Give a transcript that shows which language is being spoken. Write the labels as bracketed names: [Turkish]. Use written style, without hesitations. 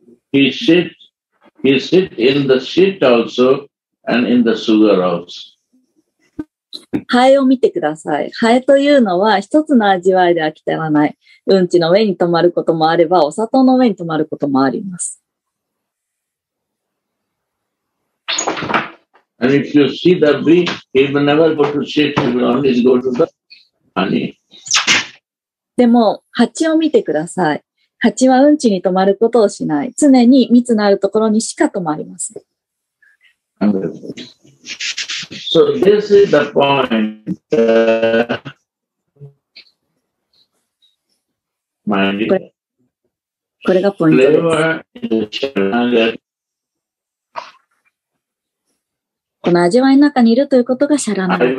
[English] He sit in the shit also and in the sugar also. [Japanese] ハエを見てください。ハエというのは一つの味わいで飽き足らない。うんちの上に止まることもあれば、お砂糖の上に止まることもあります。 [English] And if you see the bee, he will never go to shit, he will always go to the... [Japanese] でも、蜂を見てください。蜂はうんちに止まることをしない。常に蜜のあるところにしか止まりません。 [English] So this is the point that my flavor in the Sharanagati. [Japanese] この味わいの中にいるということがシャラナガティ。